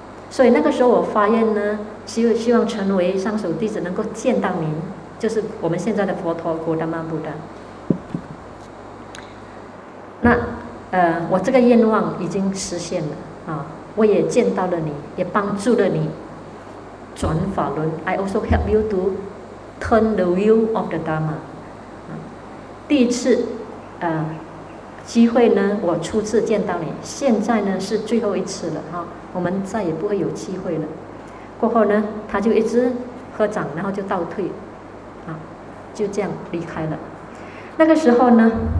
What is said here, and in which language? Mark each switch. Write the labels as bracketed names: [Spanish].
[Chinese] 所以那个时候我发愿呢，希望成为上首弟子，能够见到您，就是我们现在的佛陀古达玛布达。那我这个愿望已经实现了啊，我也见到了你，也帮助了你转法轮。 [English] I also help you to turn the wheel of the Dharma。 [Chinese] 第一次机会呢，我初次见到你，现在呢是最后一次了哈，我们再也不会有机会了。过后呢，他就一直合掌，然后就倒退，啊，就这样离开了。那个时候呢，